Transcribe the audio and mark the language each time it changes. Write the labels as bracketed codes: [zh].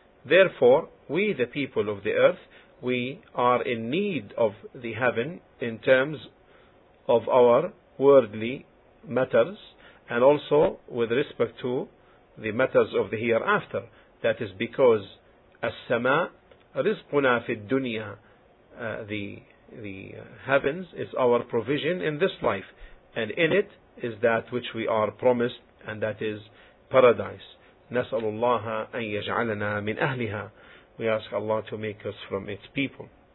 [en] Therefore, we the people of the earth, we are in need of the heaven in terms of our worldly matters, and also with respect to the matters of the hereafter. That is because [ar] as-sama rizquna fi dunya, [en] the heavens is our provision in this life, and in it is that which we are promised, and that is paradise. [ar] نسأل الله أن يجعلنا من أهلها. [en] We ask Allah to make us from its people.